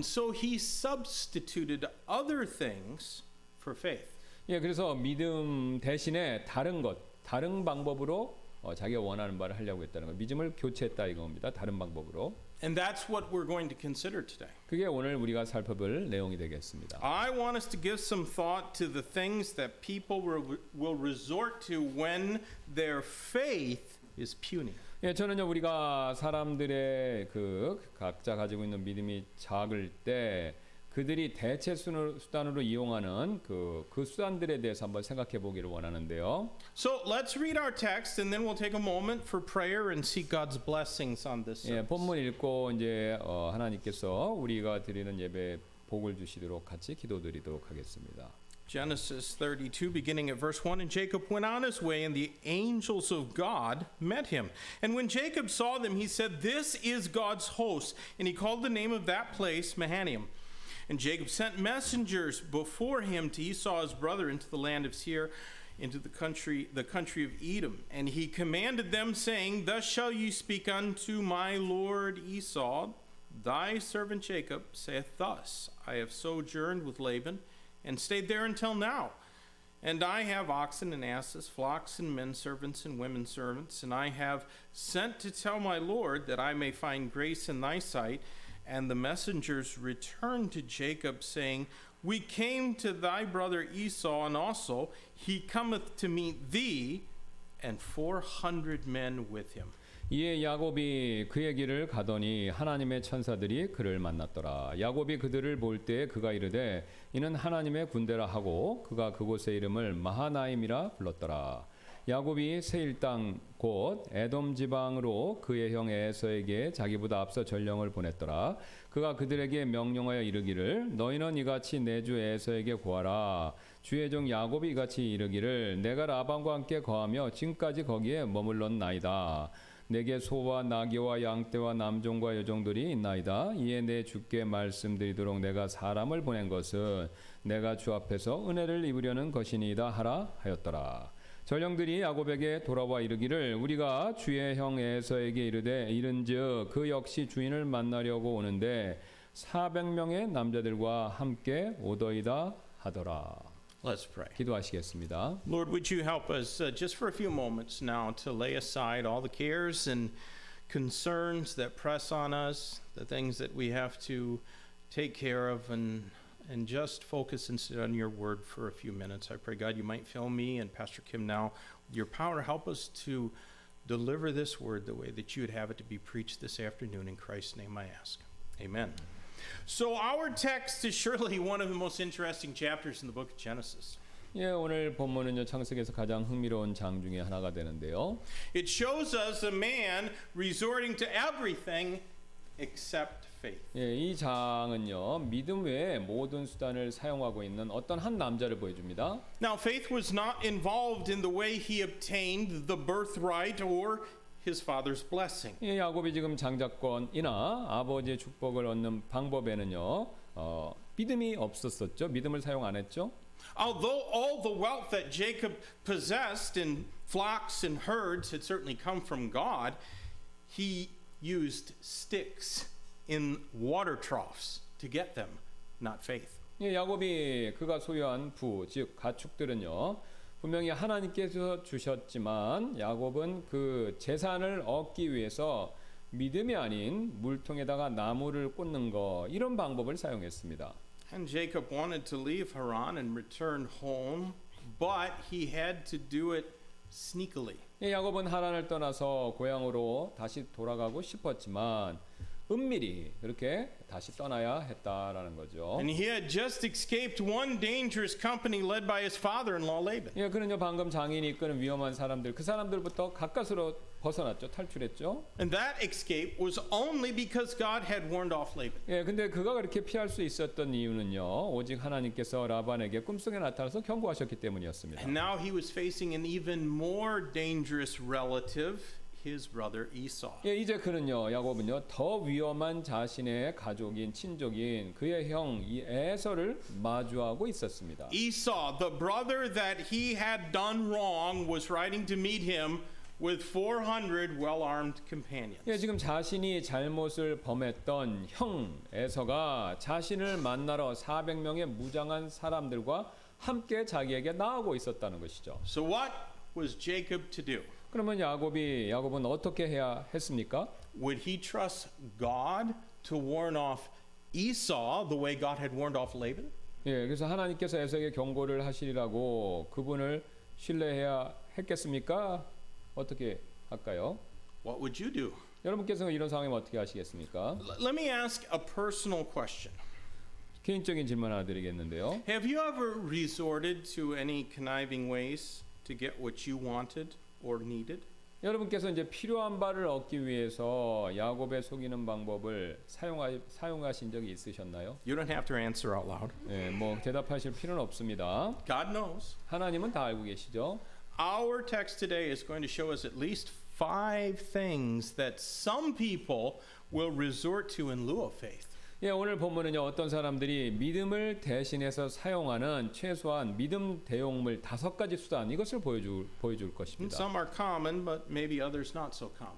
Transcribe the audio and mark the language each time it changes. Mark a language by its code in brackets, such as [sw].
[en] And so he substituted other things for faith. [ko] 예, 그래서 믿음 대신에 다른 것, 다른 방법으로 자기가 원하는 바를 하려고 했다는 거. 믿음을 교체했다 이겁니다. 다른 방법으로. [en] And that's what we're going to consider today. [ko] 그게 오늘 우리가 살펴볼 내용이 되겠습니다. [en] I want us to give some thought to the things that people will resort to when their faith is puny. [ko] 예, 저는요 우리가 사람들의 그 각자 가지고 있는 믿음이 작을 때 그들이 대체 수단으로 이용하는 그 수단들에 대해서 한번 생각해 보기를 원하는데요. [en] So let's read our text and then we'll take a moment for prayer and seek God's blessings on this. [ko] 예, 본문 읽고 이제 하나님께서 우리가 드리는 예배 복을 주시도록 같이 기도드리도록 하겠습니다. [en] Genesis 32 beginning at verse 1 and Jacob went on his way and the angels of God met him. And when Jacob saw them he said this is God's host and he called the name of that place Mahanaim. And Jacob sent messengers before him to Esau, his brother, into the land of Seir, into the country of Edom. And he commanded them, saying, Thus shall you speak unto my lord Esau, thy servant Jacob saith thus, I have sojourned with Laban, and stayed there until now. And I have oxen and asses, flocks and men servants and women servants. And I have sent to tell my lord that I may find grace in thy sight. And the messengers returned to Jacob, saying, We came to thy brother Esau, and also he cometh to meet thee and 400 men with him. [ko] 이에 야곱이 그의 길을 가더니 하나님의 천사들이 그를 만났더라. 야곱이 그들을 볼 때에 그가 이르되 이는 하나님의 군대라 하고 그가 그곳의 이름을 마하나임이라 불렀더라. 야곱이 세일 땅 곧 에돔 지방으로 그의 형 에서에게 자기보다 앞서 전령을 보냈더라. 그가 그들에게 명령하여 이르기를 너희는 이같이 내 주 에서에게 구하라. 주의 종 야곱이 같이 이르기를 내가 라반과 함께 거하며 지금까지 거기에 머물렀나이다. 내게 소와 나귀와 양떼와 남종과 여종들이 있나이다. 이에 내 주께 말씀드리도록 내가 사람을 보낸 것은 내가 주 앞에서 은혜를 입으려는 것이니이다 하라 하였더라. 전령들이 야곱에게 돌아와 이르기를 우리가 주의 형 에서에게 이르되 이른즉 그 역시 주인을 만나려고 오는데 400명의 남자들과 함께 오더이다 하더라. [en] Let's pray. [ko] 기도하시겠습니다. [en] Lord, would you help us just for a few moments now to lay aside all the cares and concerns that press on us, the things that we have to take care of, and just focus and sit on your word for a few minutes. I pray, God, you might fill me and Pastor Kim now with your power. Help us to deliver this word the way that you would have it to be preached this afternoon. In Christ's name I ask. Amen. So our text is surely one of the most interesting chapters in the book of Genesis. [ko] 예, 오늘 본문은요, 창세기에서 가장 흥미로운 장 중에 하나가 되는데요. [en] It shows us a man resorting to everything except faith. [ko] 예, 이 장은요, 믿음 외에 모든 수단을 사용하고 있는 어떤 한 남자를 보여줍니다. [en] Now faith was not involved in the way he obtained the birthright or his father's blessing. [ko] 예, 야곱이 지금 장자권이나 아버지의 축복을 얻는 방법에는요. 믿음이 없었었죠. 믿음을 사용 안 했죠. [en] Although all the wealth that Jacob possessed in flocks and herds had certainly come from God, he used sticks in water troughs to get them, not faith. [ko] 예, 야곱이 그가 소유한 부, 즉 가축들은요. 분명히 하나님께서 주셨지만 야곱은 그 재산을 얻기 위해서 믿음이 아닌 물통에다가 나무를 꽂는 거 이런 방법을 사용했습니다. [en] And Jacob wanted to leave Haran and return home, but he had to do it sneakily. [ko] 예, 야곱은 하란을 떠나서 고향으로 다시 돌아가고 싶었지만 은밀히 그렇게 다시 떠나야 했다라는 거죠. [en] And he had just escaped one dangerous company led by his father-in-law Laban. [ko] 예, 그는요 방금 장인이 이끄는 위험한 사람들 그 사람들부터 가까스로 벗어났죠. 탈출했죠. [en] And that escape was only because God had warned off Laban. [ko] 예, 근데 그가 그렇게 피할 수 있었던 이유는요. 오직 하나님께서 라반에게 꿈속에 나타나서 경고하셨기 때문이었습니다. [en] And now he was facing an even more dangerous relative. His brother Esau. [ko] 예, 이제 그는요, 야곱은요, 더 위험한 자신의 가족인 친족인 그의 형 이 에서를 마주하고 있었습니다. [en] Esau, the brother that he had done wrong, was riding to meet him with 400 well-armed companions. [ko] 예, 지금 자신이 잘못을 범했던 형 에서가 자신을 만나러 400명의 무장한 사람들과 함께 자기에게 나오고 있었다는 것이죠. [en] So what was Jacob to do? [ko] 그러면 야곱은 어떻게 해야 했습니까? [en] Would he trust God to warn off Esau the way God had warned off Laban? [ko] 예, 그래서 하나님께서 에서에게 경고를 하시리라고 그분을 신뢰해야 했겠습니까? 어떻게 할까요? [en] What would you do? [ko] 여러분께서는 이런 상황에 어떻게 하시겠습니까? [en] Let me ask a personal question. [ko] 개인적인 질문 하나 드리겠는데요. [en] Have you ever resorted to any conniving ways to get what you wanted? Or needed. [ko] 여러분께서 이제 필요한 바를 얻기 위해서 야곱의 속이는 방법을 사용하신 적이 있으셨나요? [en] You don't have to answer out loud. [ko] 예, 뭐 대답하실 필요는 없습니다. [en] God knows. [ko] 하나님은 다 알고 계시죠. [en] Our text today is going to show us at least five things that some people will resort to in lieu of faith. [ko] 예, 오늘 본문은요 어떤 사람들이 믿음을 대신해서 사용하는 최소한 믿음 대용물 다섯 가지 수단 이것을 보여줄 것입니다. [en] Some are common, but maybe others not so common.